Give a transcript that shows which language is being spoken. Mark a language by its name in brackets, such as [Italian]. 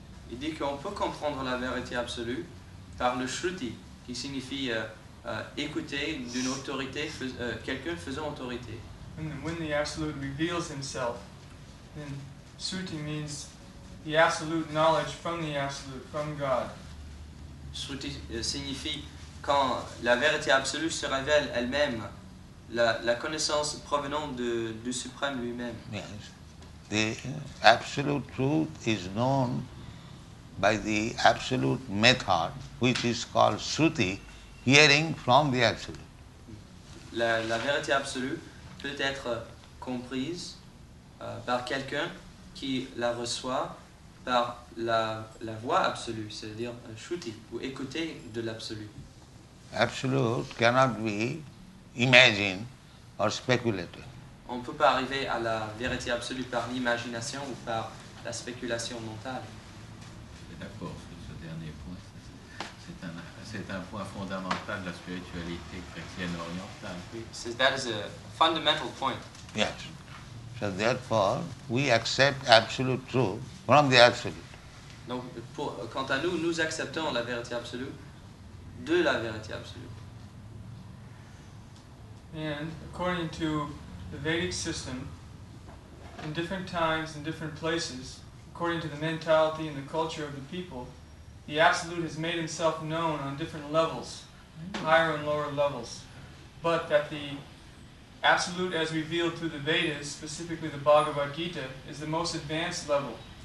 [French] Il dit qu'on peut comprendre la vérité absolue par le shruti, qui signifie écouter d'une autorité, quelqu'un faisant autorité. [English] When the absolute reveals himself, then Shruti means the absolute knowledge from the absolute, from God. [French] Shruti signifie quand la vérité absolue se révèle elle-même, la connaissance provenant du suprême lui-même. [English] Yes. The absolute truth is known by the absolute method, which is called Shruti, hearing from the absolute. [French] La vérité absolue peut être comprise par quelqu'un qui la reçoit par la voix absolue, c'est-à-dire shruti, ou écouter de l'absolu. [English] Absolute cannot be imagined or speculated. [French] On ne peut pas arriver à la vérité absolue par l'imagination ou par la spéculation mentale. D'accord, ce dernier point, c'est un point fondamental de la spiritualité chrétienne orientale. [English] So that is a fundamental point. Yes. So therefore, we accept absolute truth from the absolute. [French] Donc, quant à nous, nous acceptons la vérité absolue de la vérité absolue. [English] And according to the Vedic system, in different times, in different places, according to the mentality and the culture of the people, the absolute has made himself known on different levels, higher and lower levels, but that the absolute, as revealed through the Vedas, specifically the Bhagavad Gita, is the most advanced level,